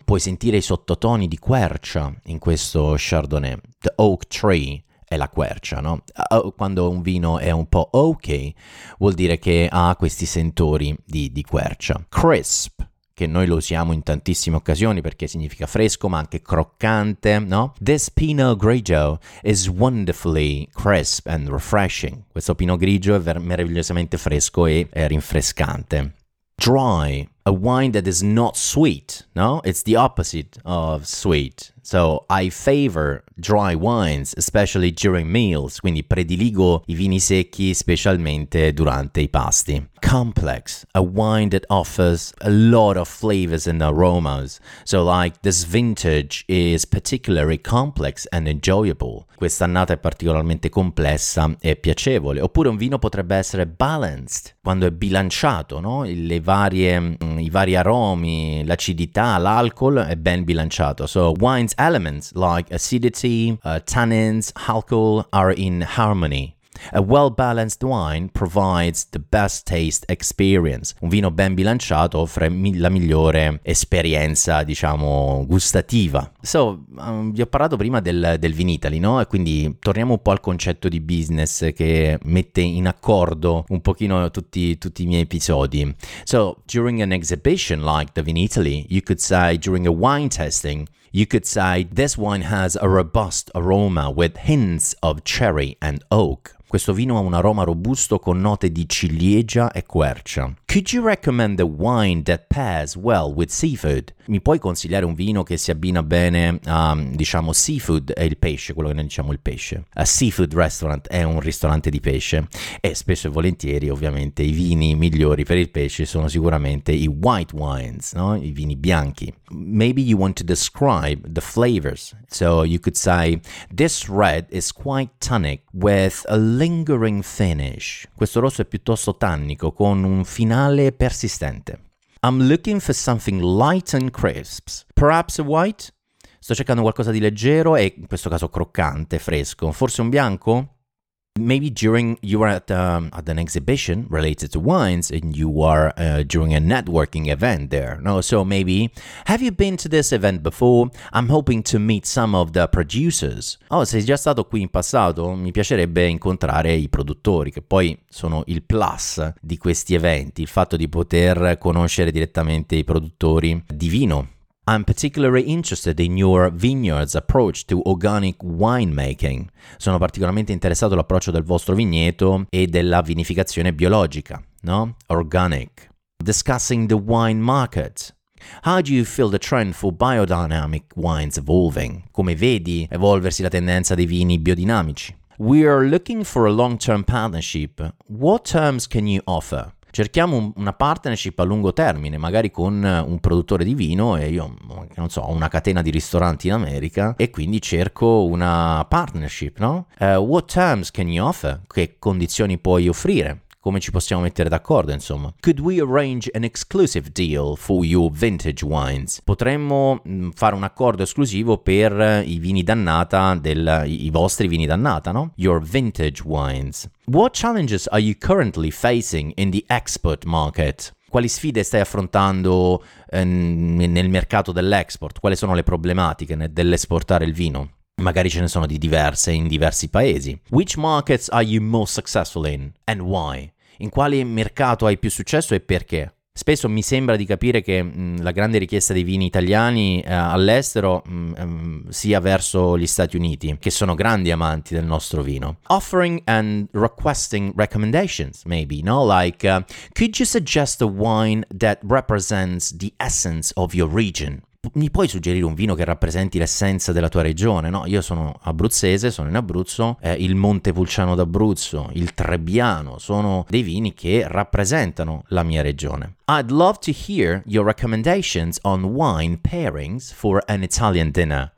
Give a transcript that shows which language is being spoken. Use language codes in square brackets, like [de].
[it] Puoi sentire i sottotoni di quercia in questo Chardonnay. [en] The oak tree. [it] È la quercia, no? Quando un vino è un po' ok, vuol dire che ha questi sentori di quercia. [en] Crisp, [it] che noi lo usiamo in tantissime occasioni perché significa fresco, ma anche croccante, no? [en] This Pinot Grigio is wonderfully crisp and refreshing. [it] Questo Pinot Grigio è meravigliosamente fresco e rinfrescante. [en] Dry, a wine that is not sweet, no? It's the opposite of sweet. So I favor dry wines, especially during meals. [it] Quindi prediligo i vini secchi, specialmente durante i pasti. [en] Complex, a wine that offers a lot of flavors and aromas. So like this vintage is particularly complex and enjoyable. [it] Questa annata è particolarmente complessa e piacevole. Oppure un vino potrebbe essere balanced, quando è bilanciato, no? I vari aromi, l'acidità, l'alcol è ben bilanciato. [en] So wines elements like acidity, tannins, alcohol are in harmony. A well-balanced wine provides the best taste experience. [it] Un vino ben bilanciato offre la migliore esperienza, diciamo, gustativa. So, vi ho parlato prima del Vinitaly, no? E quindi torniamo un po' al concetto di business che mette in accordo un pochino tutti i miei episodi. [en] So, during an exhibition like the Vinitaly, you could say during a wine tasting, you could say this wine has a robust aroma with hints of cherry and oak. [it] Questo vino ha un aroma robusto con note di ciliegia e quercia. [en] Could you recommend a wine that pairs well with seafood? [it] Mi puoi consigliare un vino che si abbina bene a, diciamo, seafood e il pesce, quello che noi diciamo il pesce. [en] A seafood restaurant [it] è un ristorante di pesce. E spesso e volentieri, ovviamente, i vini migliori per il pesce sono sicuramente i [en] white wines, [it] no? I vini bianchi. [en] Maybe you want to describe the flavors. So you could say, this red is quite tannic with a lingering finish. [it] Questo rosso è piuttosto tannico, con un finale persistente. [en] I'm looking for something light and crisp. Perhaps a white? [it] Sto cercando qualcosa di leggero e in questo caso croccante, fresco. Forse un bianco? [en] Maybe during you are at an exhibition related to wines and you are during a networking event there. No, so maybe, have you been to this event before? I'm hoping to meet some of the producers. [it] Oh, sei già stato qui in passato? Mi piacerebbe incontrare i produttori, che poi sono il plus di questi eventi, il fatto di poter conoscere direttamente i produttori di vino. [en] I'm particularly interested in your vineyard's approach to organic winemaking. [it] Sono particolarmente interessato all'approccio del vostro vigneto e della vinificazione biologica, no? [en] Organic. Discussing the wine market. How do you feel the trend for biodynamic wines evolving? [it] Come vedi evolversi la tendenza dei vini biodinamici? [en] We are looking for a long-term partnership. What terms can you offer? [it] Cerchiamo una partnership a lungo termine, magari con un produttore di vino e io, non so, una catena di ristoranti in America e quindi cerco una partnership, no? [en] What terms can you offer? [it] Che condizioni puoi offrire? Come ci possiamo mettere d'accordo, insomma? [en] Could we arrange an exclusive deal for your vintage wines? [it] Potremmo fare un accordo esclusivo per i vini d'annata, i vostri vini d'annata, no? [en] Your vintage wines. What challenges are you currently facing in the export market? [it] Quali sfide stai affrontando nel mercato dell'export? Quali sono le problematiche dell'esportare il vino? Magari ce ne sono di diverse in diversi paesi. [en] Which markets are you most successful in and why? [it] In quale mercato hai più successo e perché? Spesso mi sembra di capire che la grande richiesta dei vini italiani all'estero sia verso gli Stati Uniti, che sono grandi amanti del nostro vino. [en] Offering and requesting recommendations, maybe, no? Like, could you suggest a wine that represents the essence of your region? [it] Mi puoi suggerire un vino che rappresenti l'essenza della tua regione, no? Io sono abruzzese, sono in Abruzzo, il Montepulciano d'Abruzzo, il Trebbiano, sono dei vini che rappresentano la mia regione. [en] I'd love to hear your recommendations on wine pairings for an Italian dinner.